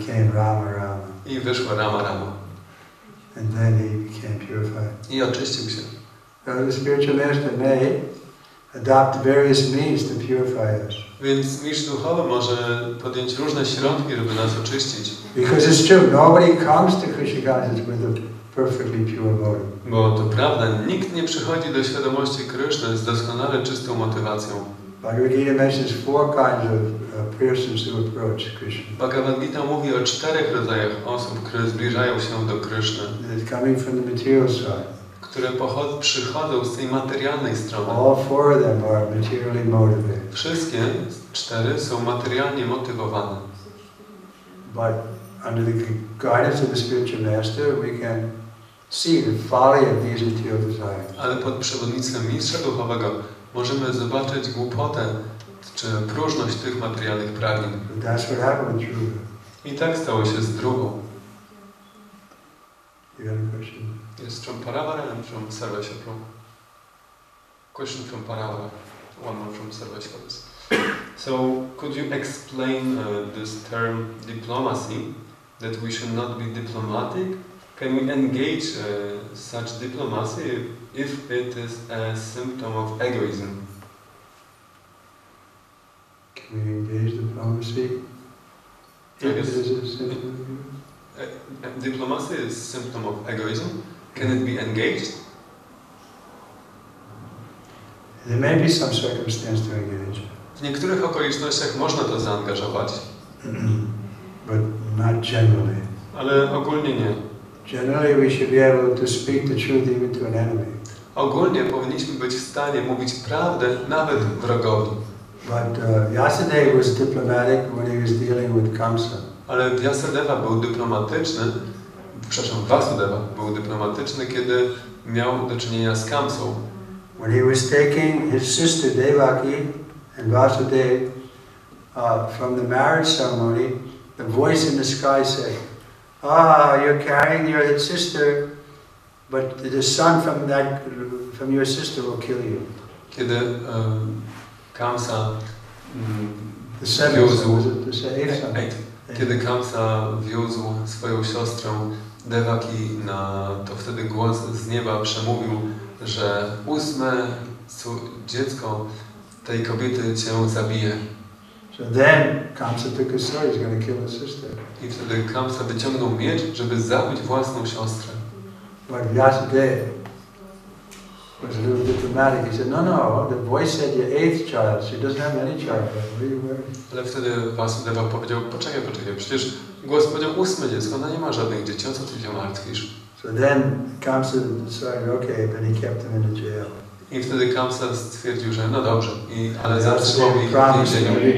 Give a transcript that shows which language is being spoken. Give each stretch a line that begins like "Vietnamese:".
English: And he came Rama, Rama.
Polish: I wyszło Rama, Rama.
English: And then he became purified.
Polish: I oczyścił się.
English: So the spiritual master may adopt various means to purify us.
Polish: Więc mistrz duchowy może podjąć różne środki, żeby nas oczyścić.
English: Because it's true, nobody comes to Krishna consciousness with a perfectly pure motive.
Polish: Bo to prawda, nikt nie przychodzi do świadomości Kryszny z doskonale czystą motywacją.
English: Bhagavad Gita mentions four kinds of persons who approach Krishna.
Polish: Bhagavad Gita mówi o czterech rodzajach osób, które zbliżają się do Kryszny.
English: It's coming from the material side.
Polish: Które przychodzą z tej materialnej strony.
English: All four of them are materially motivated.
Polish: Wszystkie cztery są materialnie motywowane.
English: But under the guidance of the spiritual master, we can see the folly of these material desires.
Polish: Ale pod przewodnictwem mistrza duchowego możemy zobaczyć głupotę czy próżność tych materialnych pragnień.
English: That's what happened with Druga.
Polish: I tak stało się z Drugą.
English: You got a question? Yes, from Paravara and from Sarvashapra. Question from Paravara, one more from Sarvashapra. So, could you explain this term diplomacy, that we should not be diplomatic? Can we engage such diplomacy if it is a symptom of egoism? Can we engage diplomacy? Yes. Diplomacy is a symptom of egoism. Can it be engaged? There may be some circumstance to engage.
Polish: W niektórych okolicznościach można to zaangażować.
English: But not generally.
Polish: Ale ogólnie nie.
English: Generally we should be able to speak the truth even to an enemy.
Polish: Ogólnie powinniśmy być w stanie mówić prawdę nawet wrogowi.
English: But Vyasadeva was diplomatic when he was dealing with Kamsa.
Polish: Ale Vyasadeva był dyplomatyczny, przepraszam, Vasudeva był dyplomatyczny, kiedy miał do czynienia z Kamsą.
English: When he was taking his sister Devaki and Vasudeva from the marriage ceremony, the voice in the sky said, "Ah, you're carrying your sister, but the son from that from your sister will kill you."
Polish: Kiedy Kamsa,
English: the seventh,
Polish: kiedy Kamsa wiózł swoją siostrę Devaki na, to wtedy głos z nieba przemówił, że ósme dziecko tej kobiety cię zabije.
English: So then Kamsa took his sword, he's going to kill his sister.
Polish: I wtedy Kamsa wyciągnął miecz, żeby zabić własną siostrę.
English: But Vyasadeva was a little diplomatic. He said, no, the voice said your eighth child. She doesn't have any child.
Polish: Ale wtedy Vyasadeva powiedział, poczekaj, przecież głos powiedział ósme dziecko, ona nie ma żadnych dzieci, o co ty się martwisz?
English: So then Kamsa decided, okay, but he kept him in the jail.
Polish: I wtedy Kamsa stwierdził, że no dobrze, i, ale zatrzymał mi więzienie.